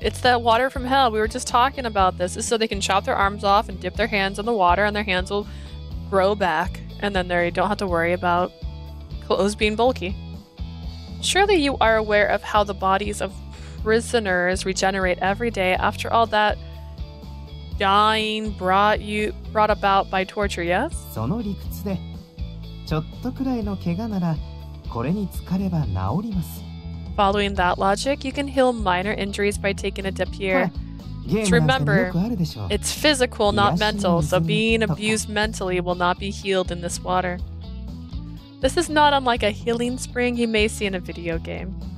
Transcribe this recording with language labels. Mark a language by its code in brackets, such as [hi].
[en] It's that water from hell. We were just talking about this. This is so they can chop their arms off and dip their hands in the water and their hands will grow back. And then they don't have to worry about clothes being bulky. Surely you are aware of how the bodies of prisoners regenerate every day. After all that dying brought about by torture, yes? [ja] その理屈で、ちょっとくらいの怪我なら、これに疲れば治ります。 [en] Following that logic, you can heal minor injuries by taking a dip here. Just remember, it's physical, not mental, so being abused mentally will not be healed in this water. This is not unlike a healing spring you may see in a video game.